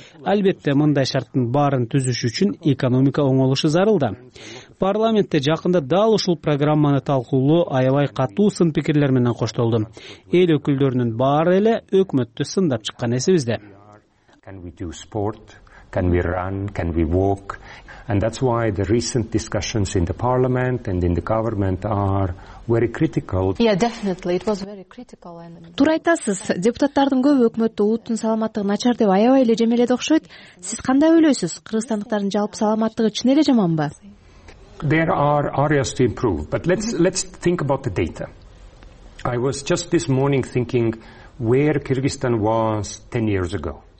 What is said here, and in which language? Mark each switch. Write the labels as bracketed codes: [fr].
[ky] Албетте, мындай шарттын баарын түзүш үчүн экономика оңолушу зарылда. Парламентте жакында дал ушул программаны талкуулоо аябай катуу сын пикирлер менен коштолду. Эл өкүлдөрүнүн баары эле өкмөттү сындап чыккан эсибизде. [en] Can we do sport? Can we run? Can we walk? And that's why the recent discussions in the parliament and in the government are very critical. Yeah, definitely. It was very critical. [ky] Туура айтасыз. Депутаттардын көбү өкмөттө улуттун саламаттыгы начар деп аябай эле жемеледи окшойт. Сиз кандай ойлойсуз? Кыргызстандыктардын жалпы саламаттыгы чын эле жаманбы? [en] There are areas to improve, but let's think about the data. I was just this morning thinking where Kyrgyzstan was 10 years ago.